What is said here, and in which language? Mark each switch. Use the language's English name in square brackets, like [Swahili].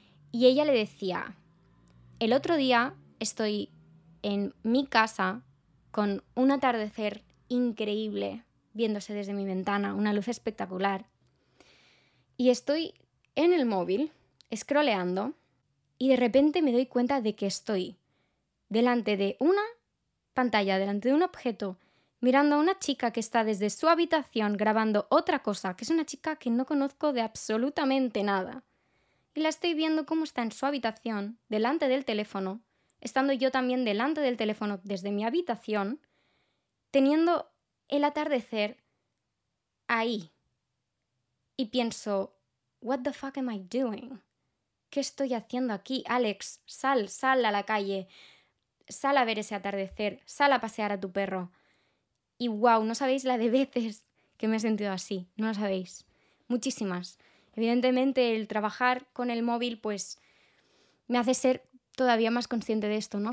[Spanish] Y ella le decía, el otro día estoy en mi casa con un atardecer increíble, viéndose desde mi ventana, una luz espectacular, y estoy en el móvil, scrolleando, y de repente me doy cuenta de que estoy delante de una pantalla, delante de un objeto, mirando a una chica que está desde su habitación grabando otra cosa, que es una chica que no conozco de absolutamente nada. Y la estoy viendo cómo está en su habitación, delante del teléfono, estando yo también delante del teléfono desde mi habitación, teniendo el atardecer ahí. Y pienso, [English] what the fuck am I doing? [Spanish] ¿Qué estoy haciendo aquí? Alex, sal, sal a la calle, sal a ver ese atardecer, sal a pasear a tu perro. Y wow, no sabéis la de veces que me he sentido así, no lo sabéis. Muchísimas. Evidentemente el trabajar con el móvil pues me hace ser todavía más consciente de esto, ¿no?